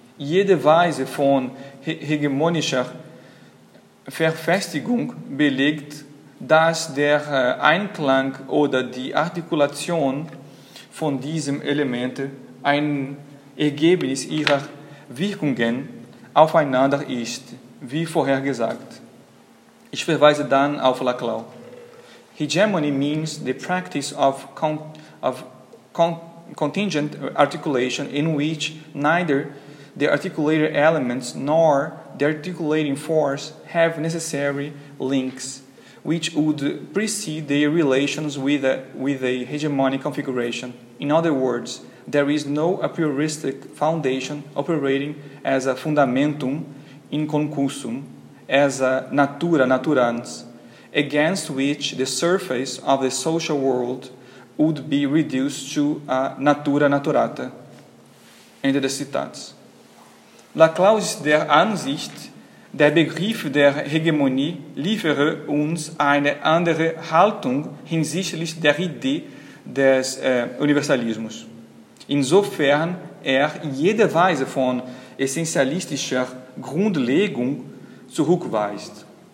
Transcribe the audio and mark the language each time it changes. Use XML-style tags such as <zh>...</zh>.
<de>Jede Weise von hegemonischer Verfestigung belegt dass der Einklang oder die Artikulation von diesem Element ein Ergebnis ihrer Wirkungen aufeinander ist, wie vorher gesagt. Ich verweise dann auf Laclau.</de> <en>Hegemony means the practice of contingent articulation in which neither the articulator elements nor the articulating force have necessary links which would precede their relations with a hegemonic configuration. In other words, there is no a prioristic foundation operating as a fundamentum in concursum, as a natura naturans, against which the surface of the social world would be reduced to a natura naturata.</en> <de>Ende des Zitats. Laclau ist der Ansicht, der Begriff der Hegemonie liefere uns eine andere Haltung hinsichtlich der Idee des Universalismus, insofern er jede Weise von essentialistischer Grundlegung zurückweist.</de>